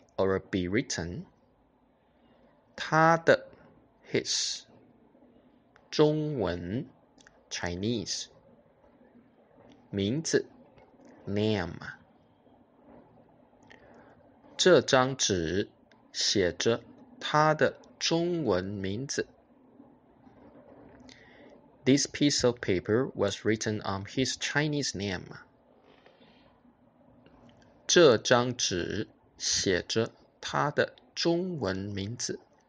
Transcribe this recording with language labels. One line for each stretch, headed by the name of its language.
English: Or be written. 他的 his 中文 Chinese 名字 name.
Chinese: 这张纸写着他的中文名字。
English: This piece of paper was written on his Chinese name.
Chinese: 这张纸写着他的中文名字。